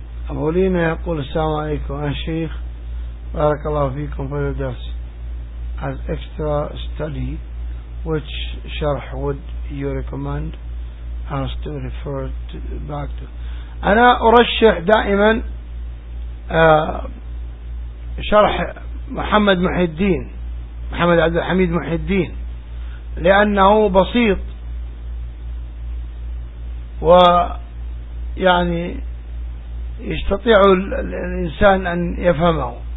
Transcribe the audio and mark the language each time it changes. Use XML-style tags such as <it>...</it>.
<ar>أولينا يقول السلام عليكم يا شيخ، بارك الله فيكم في الدرس.</ar> <en>As extra study, which شرح would you recommend us to refer to back to?</en> <ar>أنا أرشح دائما شرح محمد محي الدين، محمد عبد الحميد محي الدين، لأنه بسيط ويعني يستطيع الإنسان أن يفهمه.</ar>